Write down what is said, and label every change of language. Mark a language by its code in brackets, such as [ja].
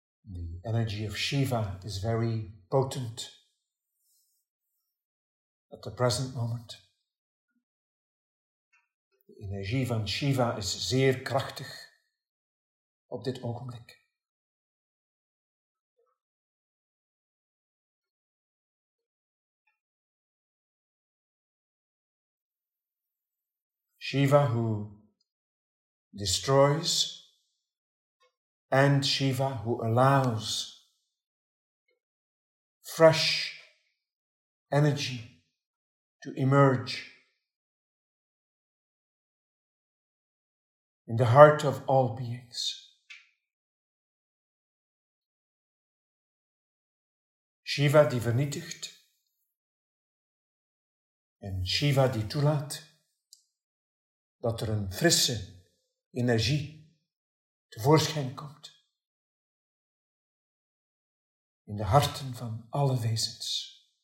[en] The energy of Shiva is very potent at the present moment. [nl] De energie van Shiva is zeer krachtig op dit ogenblik. [en] Shiva who destroys and Shiva who allows fresh energy to emerge in the heart of all beings. [nl] Shiva die vernietigt en Shiva die toelaat dat er een frisse energie tevoorschijn komt in de harten van alle wezens.